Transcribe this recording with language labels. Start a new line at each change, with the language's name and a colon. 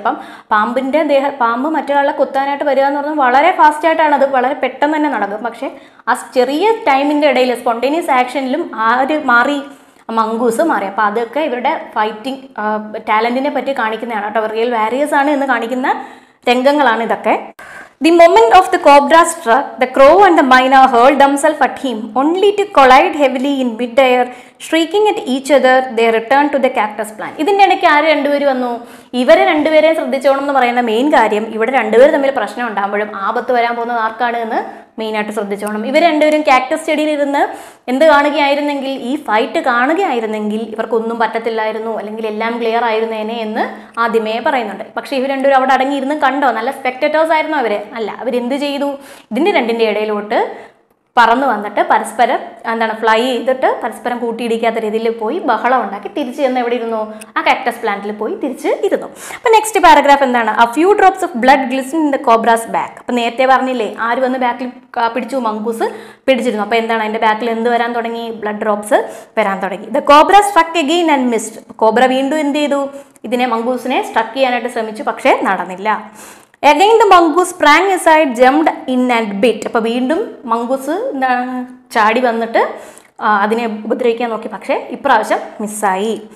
Malayalam: അപ്പം പാമ്പിൻ്റെ ദേഹ പാമ്പ് മറ്റൊരാളെ കുത്താനായിട്ട് വരിക എന്ന് പറഞ്ഞാൽ വളരെ ഫാസ്റ്റായിട്ടാണ് അത്, വളരെ പെട്ടെന്ന് തന്നെ നടക്കും. പക്ഷേ ആ ചെറിയ ടൈമിൻ്റെ ഇടയിൽ സ്പോണ്ടേനിയസ് ആക്ഷനിലും ആര് മാറി, മംഗൂസ് മാറി. അപ്പോൾ അതൊക്കെ ഇവരുടെ ഫൈറ്റിംഗ് ടാലൻറ്റിനെ പറ്റി കാണിക്കുന്നതാണ് കേട്ടോ. റിയൽ വാരിയേഴ്സ് ആണ് എന്ന് കാണിക്കുന്ന രംഗങ്ങളാണ് ഇതൊക്കെ.
English: The moment of the cobra struck, the crow and the myna hurled themselves at him, only to collide heavily in mid-air, shrieking at each other, they returned to the cactus plant.
Malayalam: ഇതിൻ്റെ ഇടയ്ക്ക് ആര് രണ്ടുപേരും വന്നു? ഇവരെ രണ്ടുപേരെയും ശ്രദ്ധിച്ചോണം എന്ന് പറയുന്ന മെയിൻ കാര്യം, ഇവിടെ രണ്ടുപേരും തമ്മിൽ പ്രശ്നം ഉണ്ടാകുമ്പോഴും ആപത്ത് വരാൻ പോകുന്നത് ആർക്കാണ് എന്ന് മെയിനായിട്ട് ശ്രദ്ധിച്ചോണം. ഇവർ രണ്ടുപേരും കാക്ടസ് ചെടിയിൽ ഇരുന്ന് എന്ത് കാണുകയായിരുന്നെങ്കിൽ, ഈ ഫൈറ്റ് കാണുകയായിരുന്നെങ്കിൽ ഇവർക്കൊന്നും പറ്റത്തില്ലായിരുന്നു, അല്ലെങ്കിൽ എല്ലാം ക്ലിയർ ആയിരുന്നേനെ എന്ന് ആദ്യമേ പറയുന്നുണ്ട്. പക്ഷേ ഇവർ രണ്ടുപേരും അവിടെ അടങ്ങിയിരുന്ന് കണ്ടോ, നല്ല സ്പെക്ടേറ്റേഴ്സ് ആയിരുന്നു അവർ. അല്ല, അവരെന്ത് ചെയ്തു, ഇതിൻ്റെ രണ്ടിൻ്റെ ഇടയിലോട്ട് പറന്ന് വന്നിട്ട് പരസ്പരം എന്താണ് ഫ്ലൈ ചെയ്തിട്ട് പരസ്പരം കൂട്ടിയിടിക്കാത്ത രീതിയിൽ പോയി ബഹളം ഉണ്ടാക്കി തിരിച്ച് ചെന്ന് എവിടെ ഇരുന്നു, ആ കാക്ടസ് പ്ലാന്റിൽ പോയി തിരിച്ച് ഇരുന്നു. അപ്പം നെക്സ്റ്റ് പാരഗ്രാഫ് എന്താണ്,
English: A few drops of blood glisten in the cobra's back.
Malayalam: അപ്പം നേരത്തെ പറഞ്ഞില്ലേ ആര് വന്ന് ബാക്കിൽ പിടിച്ചു, മംഗൂസ് പിടിച്ചിരുന്നു. അപ്പം എന്താണ്, അതിൻ്റെ ബാക്കിൽ എന്ത് വരാൻ തുടങ്ങി, ബ്ലഡ് ഡ്രോപ്സ് വരാൻ തുടങ്ങി.
English: The cobra struck again and missed.
Malayalam: Cobra വീണ്ടും എന്ത് ചെയ്തു, ഇതിനെ മംഗൂസിനെ സ്ട്രക്ക് ചെയ്യാനായിട്ട് ശ്രമിച്ചു, പക്ഷേ നടന്നില്ല.
English: Again the mongoose sprang aside, jumped in and bit.
Malayalam: അപ്പോൾ വീണ്ടും മംഗൂസ് ചാടി വന്നിട്ട് അതിനെ ഉപദ്രവിക്കാൻ നോക്കി, പക്ഷേ ഇപ്രാവശ്യം മിസ്സായി.